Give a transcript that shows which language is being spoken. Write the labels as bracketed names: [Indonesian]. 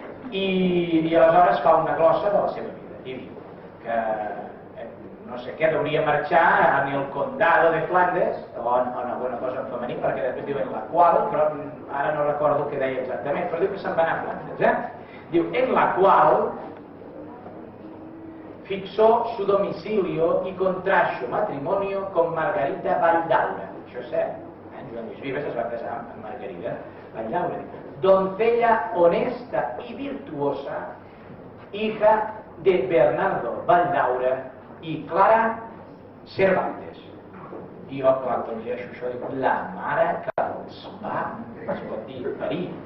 [Catalan] I aleshores fa una glossa de la seva vida. I diu que no sé què, hauria marxar a [Spanish] el condado de Flandes, [Catalan] on alguna cosa en femení, perquè després diuen la qual, però ara no recordo què deia exactament, però diu que se'n va anar a Flandes. Diu, [Spanish] en la qual fixó su domicilio y contrajo matrimonio con Margarita Valldaura. [Catalan] Això és cert. Joan Lluís Vives es va casar amb Margarida Valldaura. [Spanish] Doncella honesta y virtuosa, hija de Bernardo Valldaura y Clara Cervantes. [Catalan] I jo, clar, quan llegeixo això, dic, la mare que els va, es pot dir, parir.